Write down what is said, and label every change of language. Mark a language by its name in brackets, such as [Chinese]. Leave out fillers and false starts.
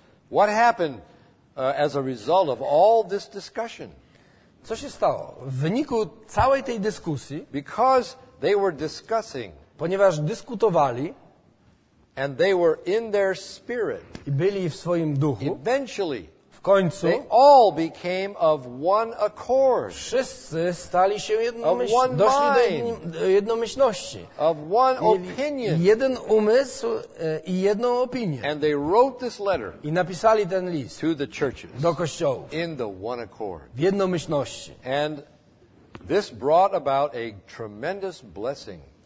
[English] What happened as a result of all this discussion? [Polish] Co się stało w wyniku całej tej dyskusji? [English] Because they were discussing, [Polish] ponieważ dyskutowali. [English] And they were in their spirit. [Polish] I byli w swoim duchu. [English] Eventually, [Polish] w końcu, [English] they all became of one accord. [Polish] Wszyscy stali się jednomyślni. Doszli do jednomyślności. [English] Of one opinion. [Polish] Jeden umysł i jedną opinię. [English] And they wrote this letter. [Polish] I napisali ten list. [English] To the churches. [Polish] Do kościołów. [English] In the one accord. [Polish] W jednomyślności. [English] And this brought about a tremendous blessing.